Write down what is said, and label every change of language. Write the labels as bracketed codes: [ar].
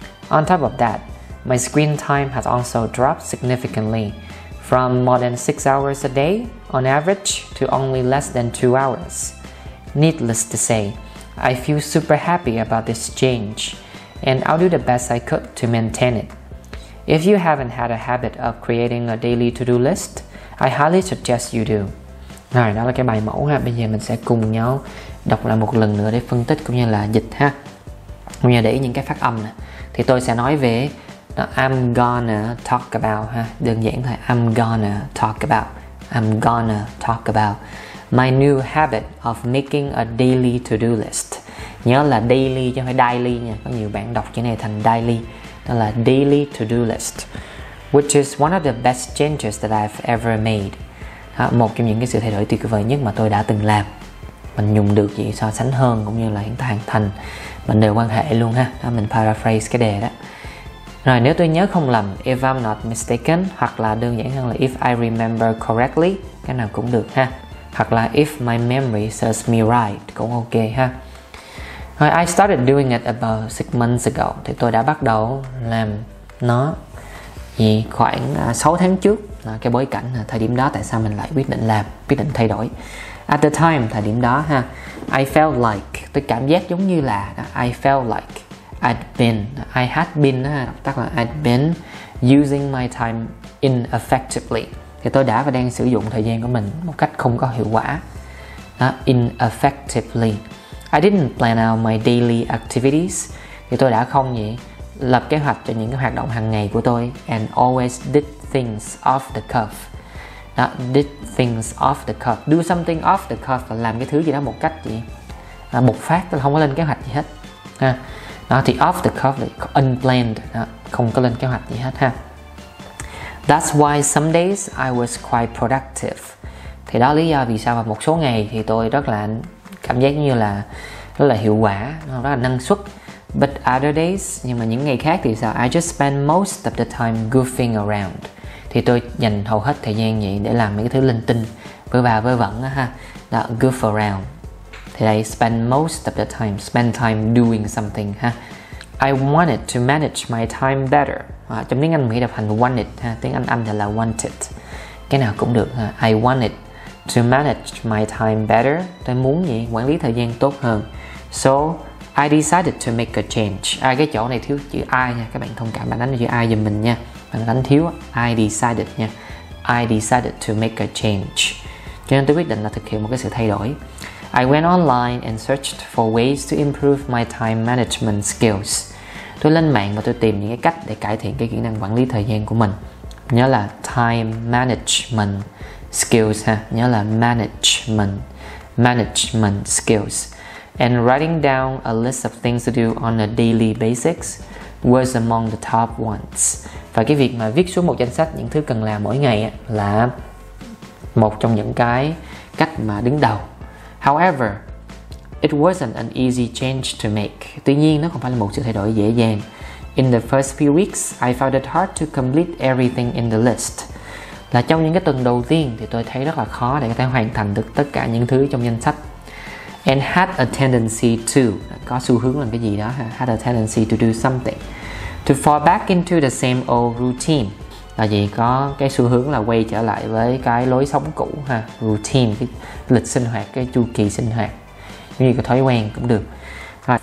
[en] On top of that, my screen time has also dropped significantly, from more than 6 hours a day on average to only less than 2 hours. Needless to say, I feel super happy about this change, and I'll do the best I could to maintain it. If you haven't had a habit of creating a daily to-do list, I highly suggest you do. [vi] Rồi, đó là cái bài mẫu ha. Bây giờ mình sẽ cùng nhau đọc lại một lần nữa để phân tích cũng như là dịch ha. Cũng như để ý những cái phát âm nè. Thì tôi sẽ nói về [en] I'm gonna talk about ha. [vi] Đơn giản thôi, [en] I'm gonna talk about. I'm gonna talk about. My new habit of making a daily to-do list. [vi] Nhớ là daily chứ không phải daily nha. Có nhiều bạn đọc chữ này thành daily. Đó là [en] daily to-do list, which is one of the best changes that I've ever made. [vi] Đó, một trong những cái sự thay đổi tuyệt vời nhất mà tôi đã từng làm. Mình dùng được gì so sánh hơn cũng như là hiện tại hoàn thành mình đều quan hệ luôn ha. Đó, mình paraphrase cái đề đó. Rồi nếu tôi nhớ không lầm, [en] if I'm not mistaken, [vi] hoặc là đơn giản hơn là [en] if I remember correctly, [vi] cái nào cũng được ha. Hoặc là [en] if my memory serves me right [vi] cũng ok ha. [en] Rồi I started doing it about 6 months ago. [vi] Thì tôi đã bắt đầu làm nó thì khoảng 6 tháng trước. Là cái bối cảnh thời điểm đó tại sao mình lại quyết định làm, quyết định thay đổi. [en] At the time, [vi] thời điểm đó ha, [en] I felt like, [vi] tôi cảm giác giống như là [en] I felt like I had been [vi] đọc tắt là [en] I'd been using my time ineffectively. [vi] Thì tôi đã và đang sử dụng thời gian của mình một cách không có hiệu quả. Đó, ineffectively. [en] I didn't plan out my daily activities. [vi] Thì tôi đã không gì lập kế hoạch cho những cái hoạt động hàng ngày của tôi. [en] And always did things off the cuff. Đó, did things off the cuff. [vi] Do something off the cuff là làm cái thứ gì đó một cách gì bộc phát, tôi không có lên kế hoạch gì hết ha. Đó, thì off the cuff là unplanned. Đó, không có lên kế hoạch gì hết ha. [en] That's why some days I was quite productive. [vi] Thì đó lý do vì sao mà một số ngày thì tôi rất là cảm giác như là rất là hiệu quả, rất là năng suất. [en] But other days, [vi] nhưng mà những ngày khác thì sao? [en] I just spend most of the time goofing around. [vi] Thì tôi dành hầu hết thời gian vậy để làm mấy cái thứ linh tinh, vơ vả vơ vẩn á ha. Đó, goof around. Thì đây, [en] spend most of the time, spend time doing something ha. I wanted to manage my time better. [vi] À, trong tiếng Anh mình đọc thành wanted ha, tiếng Anh thì là wanted. Cái nào cũng được ha. [en] I wanted to manage my time better. [vi] Tôi muốn gì? Quản lý thời gian tốt hơn. [en] So I decided to make a change. [vi] À, cái chỗ này thiếu chữ I nha, các bạn thông cảm, bạn đánh chữ I giùm mình nha. Bạn đánh thiếu [en] I decided nha. I decided to make a change. [vi] Cho nên tôi quyết định là thực hiện một cái sự thay đổi. [en] I went online and searched for ways to improve my time management skills. [vi] Tôi lên mạng và tôi tìm những cái cách để cải thiện cái kỹ năng quản lý thời gian của mình. Nhớ là time management skills ha. Nhớ là management, management skills. [en] And writing down a list of things to do on a daily basis was among the top ones. [vi] Và cái việc mà viết xuống một danh sách những thứ cần làm mỗi ngày là một trong những cái cách mà đứng đầu. [en] However, it wasn't an easy change to make. [vi] Tuy nhiên, nó không phải là một sự thay đổi dễ dàng. [en] In the first few weeks, I found it hard to complete everything in the list. [vi] Là trong những cái tuần đầu tiên thì tôi thấy rất là khó để có thể hoàn thành được tất cả những thứ trong danh sách. [en] And had a tendency to, [vi] có xu hướng là cái gì đó ha, [en] had a tendency to do something, to fall back into the same old routine. [vi] Là gì? Có cái xu hướng là quay trở lại với cái lối sống cũ ha, routine, cái lịch sinh hoạt, cái chu kỳ sinh hoạt, giống như cái thói quen cũng được. [en] Right.